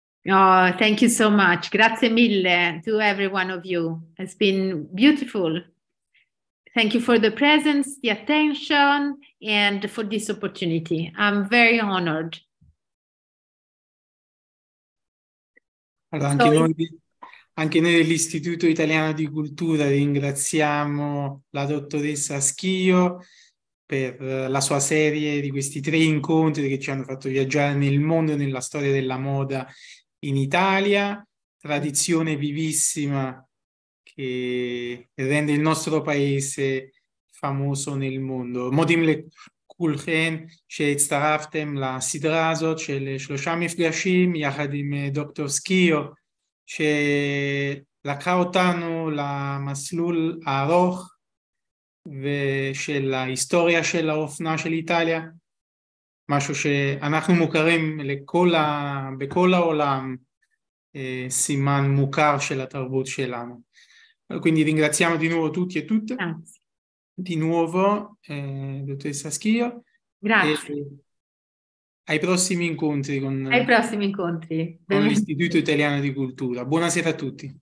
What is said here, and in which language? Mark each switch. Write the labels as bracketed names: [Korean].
[English] Oh, thank you so much. [Italian] Grazie mille [English] to every one of you. It's been beautiful. Thank you for the presence, the attention, and for this opportunity. I'm very honored. [Italian] Allora, anche, anche noi dell'Istituto Italiano di Cultura ringraziamo la dottoressa Schio per la sua serie di questi tre incontri che ci hanno fatto viaggiare nel mondo e nella storia della moda in Italia, tradizione vivissima che rende il nostro paese famoso nel mondo. [Hebrew] Modim le kulchen, sheitztaraftem la sidra hazot shel shlosha mifgashim yachad im Dr. Schio, שלקחה אותנו למסלול הארוך ושל ההיסטוריה של האופנה של איטליה, משהו שאנחנו מוכרים לכל בכל העולם, סימן מוכר של התרבות שלנו. [Italian] Quindi ringraziamo di nuovo tutti e tutte. Di nuovo, dottoressa Schio. Grazie. Ai prossimi incontri Ai prossimi incontri. con l'Istituto Italiano di Cultura. Buonasera a tutti.